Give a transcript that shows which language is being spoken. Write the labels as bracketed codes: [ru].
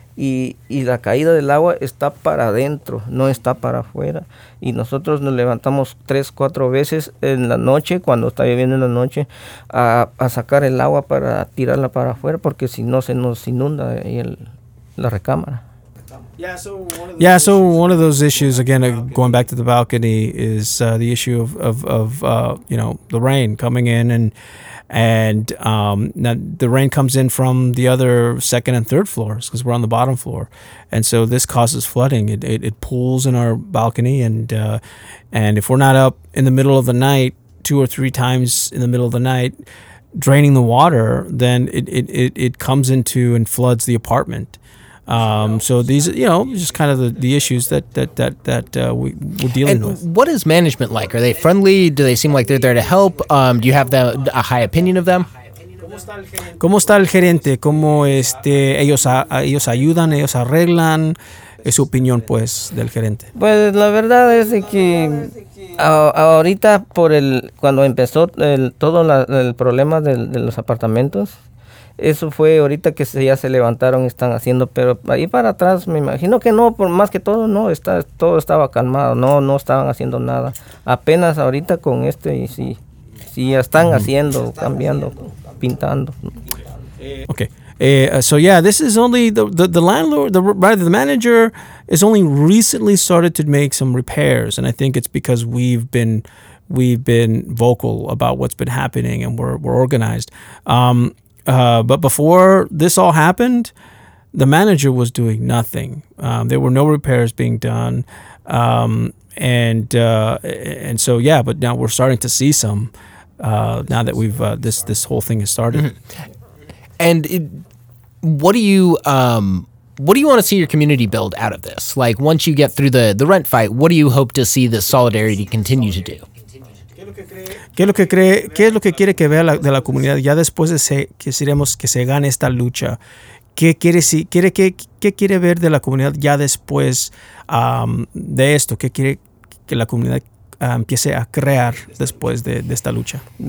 [es] Y la caída del agua está para adentro, no está para afuera. Y nosotros nos levantamos 3-4 veces en la noche, cuando está lloviendo en la noche, a sacar el agua para tirarla para afuera, porque si no se nos inunda ahí la recámara. [en] Yeah, so one of those issues, again, going back to the balcony, is the issue of you know, the rain coming in, and now the rain comes in from the other second and third floors, because we're on the bottom floor, and so this causes flooding. It pools in our balcony, and if we're not up in the middle of the night, 2 or 3 times in the middle of the night, draining the water, then it comes into and floods the apartment. So these, you know, just kind of the issues that we're dealing and with. What is management like? Are they friendly? Do they seem like they're there to help? Do you have a high opinion of them? [es] ¿Cómo está el gerente? ¿Cómo ellos ayudan? ¿Ellos arreglan? es su opinión, pues, del gerente. Pues la verdad es que ahorita por el cuando empezó el, todo la, el problema de los apartamentos, eso fue ahorita que se, ya se levantaron y están haciendo, pero ahí para atrás me imagino que no, por más que todo, no, está, todo estaba calmado, no, no estaban haciendo nada. Apenas ahorita con este y sí, sí ya están haciendo, están cambiando, haciendo, pintando. [en] Okay. So yeah, this is only the landlord, the rather the manager is only recently started to make some repairs, and I think it's because we've been vocal about what's been happening and we're organized. But before this all happened, the manager was doing nothing. There were no repairs being done, and so yeah. But now we're starting to see some now that we've this whole thing has started. And it, what do you want to see your community build out of this? Like once you get through the rent fight, what do you hope to see the solidarity continue to do? [es] ¿Qué es lo que cree? ¿Qué es lo que quiere que vea la, de la comunidad ya después de se, que seremos que se gane esta lucha? ¿Qué quiere si quiere qué quiere ver de la comunidad ya después de esto? ¿Qué quiere que la comunidad empiece a crear después de esta lucha?